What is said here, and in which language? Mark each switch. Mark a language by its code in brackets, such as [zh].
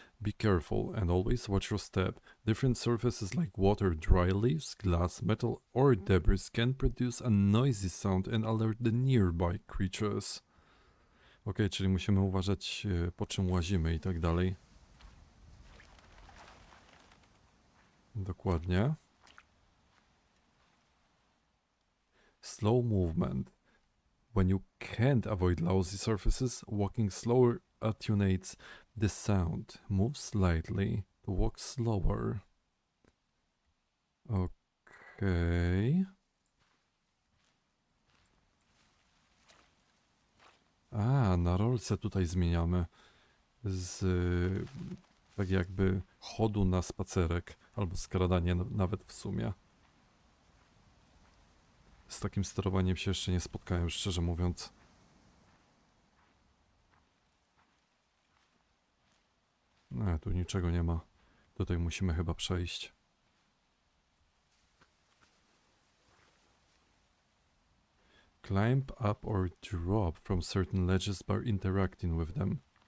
[en] Be careful and always watch your step. Different surfaces like water, dry leaves, glass, metal or debris can produce a noisy sound and alert the nearby creatures. [pl] Ok, czyli musimy uważać po czym łazimy i tak dalej. Dokładnie. [en] Slow movement. When you can't avoid lousy surfaces, walking slower attenuates the sound. Move slightly to walk slower. [pl] Okej. [en] Okay. [pl] A, na rolce tutaj zmieniamy. Z tak jakby chodu na spacerek. Albo skradanie nawet w sumie. Z takim sterowaniem się jeszcze nie spotkałem, szczerze mówiąc. No, tu niczego nie ma. Tutaj musimy chyba przejść. [en] Climb up or drop from certain ledges by interacting with them.